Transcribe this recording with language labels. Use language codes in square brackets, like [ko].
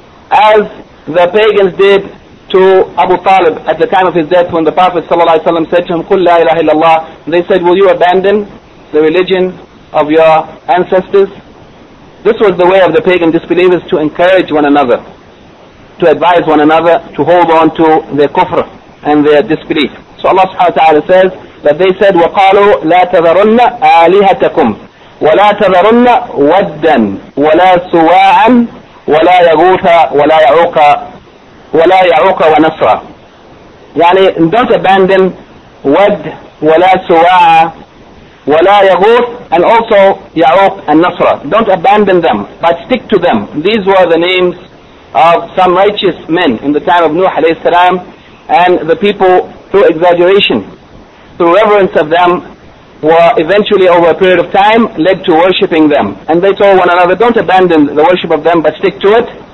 [en] As the pagans did to Abu Talib at the time of his death, when the Prophet ﷺ said to him, [ar] قُلْ لَا إِلَهَ إِلَّا اللَّهِ. [en] They said, will you abandon the religion of your ancestors? This was the way of the pagan disbelievers to encourage one another, to advise one another to hold on to their kufr and their disbelief. So Allah subhanahu wa ta'ala says that they said, [ar] وَقَالُوا لَا تَذَرُنَّ آلِهَتَكُمْ وَلَا تَذَرُنَّ وَدًّا وَلَا سُوَاعًا وَلَا يَغُوثَ وَلَا يَعُوقَ وَلَا يَعُوقَ وَنَصْرَ. يعني [en] don't abandon [ar] ود ولا سواع ولا يغوث [en] and also [ar] يعوق and نصر. [en] Don't abandon them, but stick to them. These were the names of some righteous men in the time of Nuh alayhi salam, and the people, through exaggeration, through reverence of them, were eventually over a period of time led to worshipping them. And they told one another, don't abandon the worship of them, but stick to it.